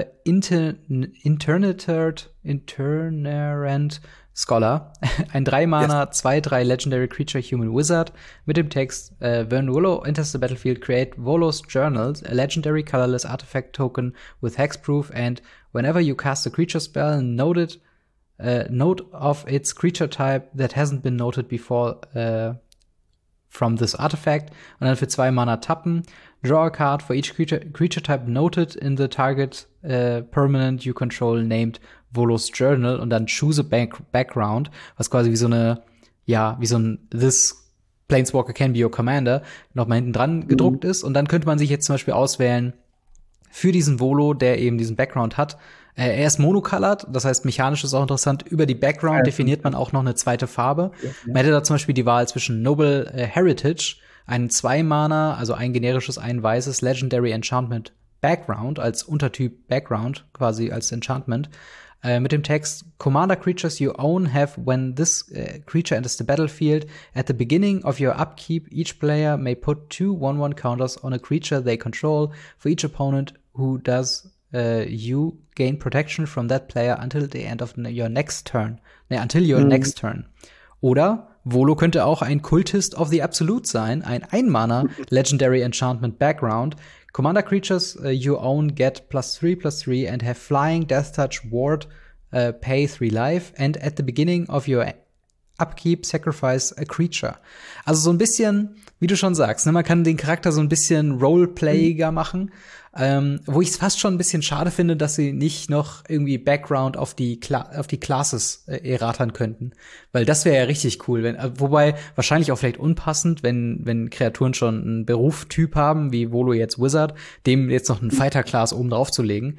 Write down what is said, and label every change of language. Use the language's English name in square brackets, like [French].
[English] Internerant Scholar, [German] ein 3-Mana, 2-3 [English] Legendary Creature Human Wizard [German] mit dem Text [English] When Volo enters the battlefield, create Volo's Journals, a legendary colorless artifact token with hexproof and whenever you cast a creature spell, note of its creature type that hasn't been noted before from this artifact. [German] Und dann für 2 Mana tappen. [English] Draw a card for each creature type noted in the target permanent you control named Volo's Journal. [German] Und dann [English] choose a background, [German] was quasi wie so eine, ja, wie so ein [English] This Planeswalker can be your commander [German] noch mal hinten dran gedruckt ist. Und dann könnte man sich jetzt zum Beispiel auswählen für diesen Volo, der eben diesen Background hat. Er ist monocolored, das heißt, mechanisch ist auch interessant. Über die Background definiert man auch noch eine zweite Farbe. Man hätte da zum Beispiel die Wahl zwischen Noble Heritage, ein 2-Mana, also ein generisches, ein weißes Legendary Enchantment Background, als Untertyp Background, quasi als Enchantment, mit dem Text [English] Commander Creatures you own have when this creature enters the battlefield. At the beginning of your upkeep, each player may put 2/1/1 counters on a creature they control. For each opponent who does you gain protection from that player until the end of your next turn. Nee, until your next turn. [German] Oder Volo könnte auch ein Cultist of the Absolute sein, ein 1-Mana Legendary Enchantment Background. [English] Commander Creatures you own get +3/+3 and have flying, death touch, ward, pay 3 life and at the beginning of your upkeep sacrifice a creature. [German] Also so ein bisschen, wie du schon sagst, ne, man kann den Charakter so ein bisschen roleplayiger machen. Wo ich es fast schon ein bisschen schade finde, dass sie nicht noch irgendwie Background auf die Classes erratern könnten. Weil das wäre ja richtig cool. Wobei wahrscheinlich auch vielleicht unpassend, wenn Kreaturen schon einen Berufstyp haben, wie Volo jetzt Wizard, dem jetzt noch einen Fighter-Class oben drauf zu legen.